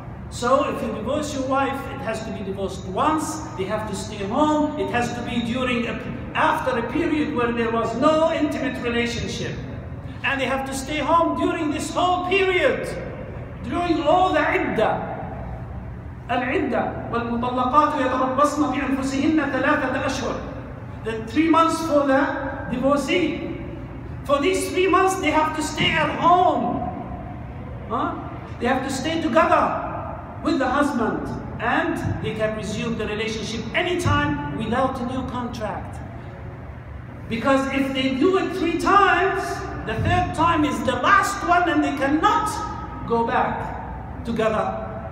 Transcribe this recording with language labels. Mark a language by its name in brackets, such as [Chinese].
[English] So if you divorce your wife, it has to be divorced once, they have to stay home, it has to be after a period where there was no intimate relationship. And they have to stay home during this whole period, during all the idda. [Arabic] العدة والمطلقات يتربصن بأنفسهن 3 أشهر. [English] The 3 months for the divorcee. For these 3 months, they have to stay at home. They have to stay together with the husband, and they can resume the relationship anytime without a new contract. Because if they do it 3 times, the 3rd time is the last one, and they cannot go back together.